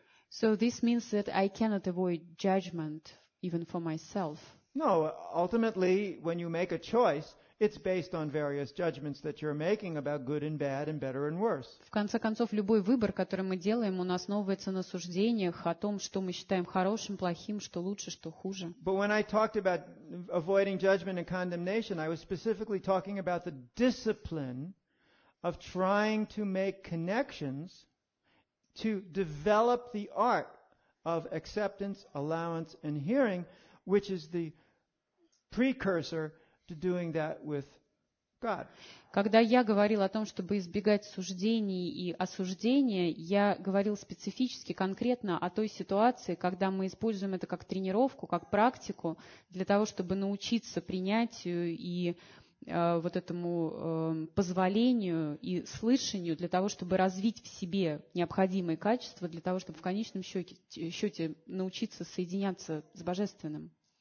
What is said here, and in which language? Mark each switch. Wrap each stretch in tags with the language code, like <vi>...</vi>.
<en>So this means that I cannot avoid judgment even for myself. No, ultimately, when you make a choice, it's based on various judgments that you're making about good and bad and better and worse.</en> <ru>В конце концов, любой выбор, который мы делаем, он основывается на суждениях о том, что мы считаем хорошим, плохим, что лучше, что хуже.</ru> <en>But when I talked about avoiding judgment and condemnation, I was specifically talking about the discipline of trying to make connections to develop the art of acceptance, allowance, and hearing, which is the precursor to doing that with God.</en> <ru>Когда я говорил о том, чтобы избегать суждений и осуждения, я говорил специфически, конкретно о той ситуации, когда мы используем это как тренировку, как практику, для того, чтобы научиться принятию и вот этому позволению и слышанию, для того, чтобы развить в себе необходимые качества, для того, чтобы в конечном счете научиться соединяться с Божественным.</ru>